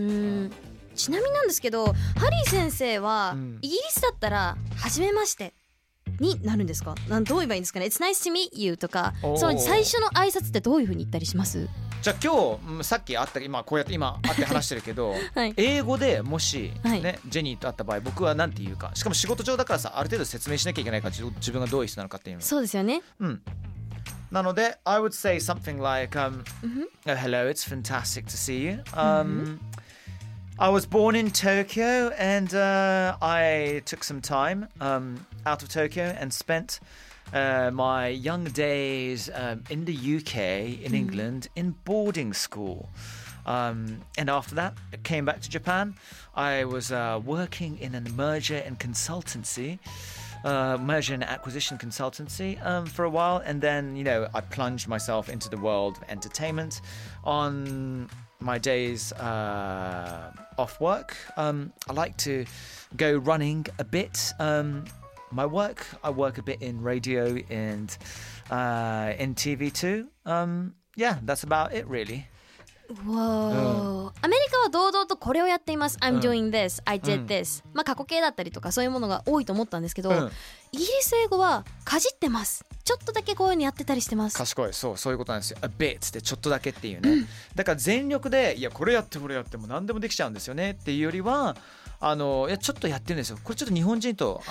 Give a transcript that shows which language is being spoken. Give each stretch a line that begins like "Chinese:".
Japanese: うん、ちなみなんですけど、ハリー先生は、うん、イギリスだったら初めましてになるんですか、どう言えばいいんですかね。
English: It's nice to meet you
Japanese: とか、その最初の挨拶ってどういう風に言ったりします。じゃあ今日さっき会った、今こうやって今会って話してるけど、はい、英語でもし、ね、はい、ジェニーと会った場合、僕はなんて言うか、しかも仕事上だからさ、ある程度説明しなきゃいけないから、自分がどういう人なのかっていうの。そうですよね、うん、なので
English: I would say something like、oh, Hello, it's fantastic to see you、I was born in Tokyo and、I took some time、out of Tokyo and spent、my young days、in the UK, in England,、mm-hmm. in boarding school.、and after that, I came back to Japan. I was、working in a merger and consultancy,、merger and acquisition consultancy、for a while. And then, you know, I plunged myself into the world of entertainment on... my days、off work、I like to go running a bit、my work, I work a bit in radio and、in TV too、yeah, that's about it really.
Japanese: アメリカは堂々とこれをやっています、
English: I'm doing this、 I did this、
Japanese: まあ過去形だったりとかそういうものが多いと思ったんですけど、イギリス英語はかじってます、ちょっとだけこういう風にやってたりしてます。賢い、そう、そういうことなんですよ。 A bit ってちょっとだけっていうね、うん、だから全力でいやこれやってこれやっても何でもできちゃうんですよねっていうよりは、いやちょっとやってるんですよ。これちょっと日本人と